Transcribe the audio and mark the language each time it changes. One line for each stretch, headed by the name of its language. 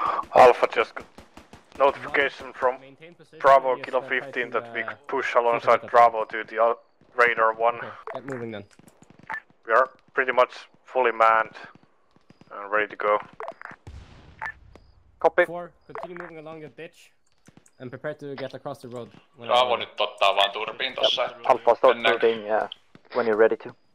English: Alpha, just notification from Bravo Kilo 15 that we could push alongside Bravo to the radar 1. Okay, get moving then. We are pretty much fully manned and ready to go. Copy. 4, continue moving along the ditch and prepare to get across the road.
Finnish: Bravo nyt ottaa vaan turpiin tossa.
English: Alpha start moving, yeah, when you're ready to.